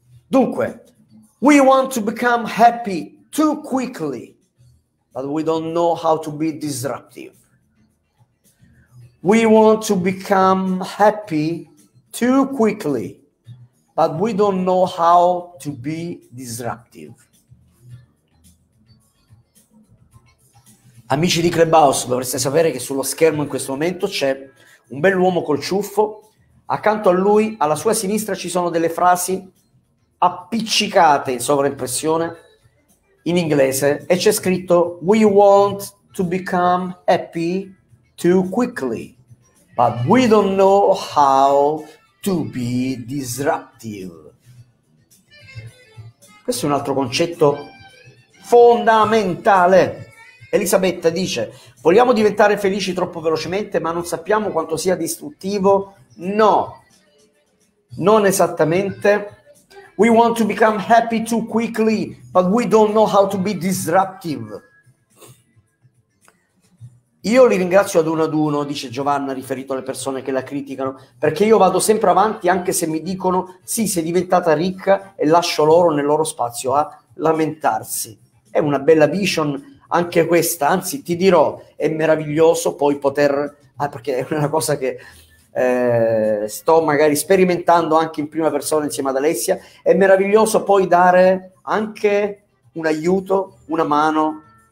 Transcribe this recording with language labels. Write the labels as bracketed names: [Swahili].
[English] Dunque, we want to become happy too quickly, but we don't know how to be disruptive. We want to become happy too quickly, but we don't know how to be disruptive. [Italian] Amici di Clubhouse, dovreste sapere che sullo schermo in questo momento c'è un bell'uomo col ciuffo. Accanto a lui, alla sua sinistra, ci sono delle frasi appiccicate in sovraimpressione in inglese, e c'è scritto [English] we want to become happy too quickly, but we don't know how to be disruptive. [Italian] Questo è un altro concetto fondamentale. Elisabetta dice: vogliamo diventare felici troppo velocemente, ma non sappiamo quanto sia distruttivo. No, non esattamente. [English] We want to become happy too quickly, but we don't know how to be disruptive. [Italian] Io li ringrazio ad uno, dice Giovanna, riferito alle persone che la criticano, perché io vado sempre avanti anche se mi dicono sì, sei diventata ricca, e lascio loro nel loro spazio a lamentarsi. È una bella vision anche questa, anzi ti dirò, è meraviglioso poi poter, perché è una cosa che sto magari sperimentando anche in prima persona insieme ad Alessia, è meraviglioso poi dare anche un aiuto, una mano